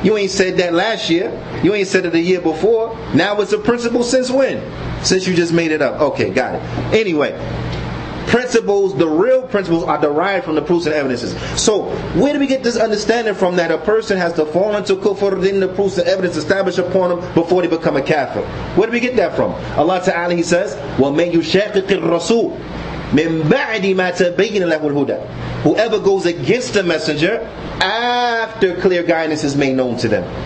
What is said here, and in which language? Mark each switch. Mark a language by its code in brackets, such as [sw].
[en] You ain't said that last year. You ain't said it the year before. Now it's a principle since when? Since you just made it up. Okay, got it. Anyway, principles, the real principles are derived from the proofs and evidences. So where do we get this understanding from that a person has to fall into kufr then the proofs and evidence established upon them before they become a kafir? Where do we get that from? Allah Ta'ala, He says, [ar] وَمَنْ يُشَاقِقِ الرَّسُولِ مِن بَعْدِ مَا تَبَيِّنَ لَهُ الْهُدَى. [en] Whoever goes against the messenger after clear guidance is made known to them.